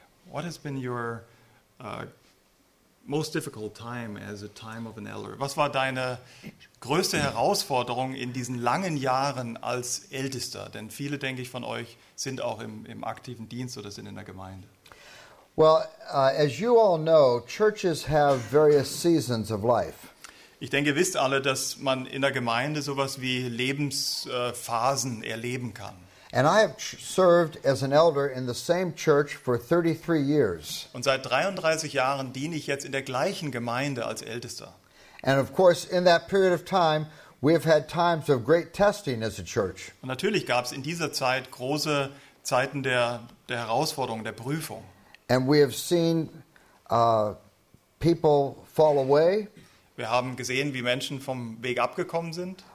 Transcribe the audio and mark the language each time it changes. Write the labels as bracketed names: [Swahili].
[English] What has been your most difficult time as a time of an elder? [German] Was war deine größte Herausforderung in diesen langen Jahren als Ältester? Denn viele, denke ich, von euch sind auch im aktiven Dienst oder sind in der Gemeinde. [English] Well, as you all know, churches have various seasons of life. [German] Ich denke, ihr wisst alle, dass man in der Gemeinde sowas wie Lebensphasen erleben kann. [English] And I have served as an elder in the same church for 33 years. [German] Und seit 33 Jahren diene ich jetzt in der gleichen Gemeinde als Ältester. [English] And of course, in that period of time, we have had times of great testing as a church. [German] Und natürlich gab es in dieser Zeit große Zeiten der Herausforderung, der Prüfung. [English] And we have seen people fall away. [German] Wir haben gesehen, wie Menschen vom Weg abgekommen sind.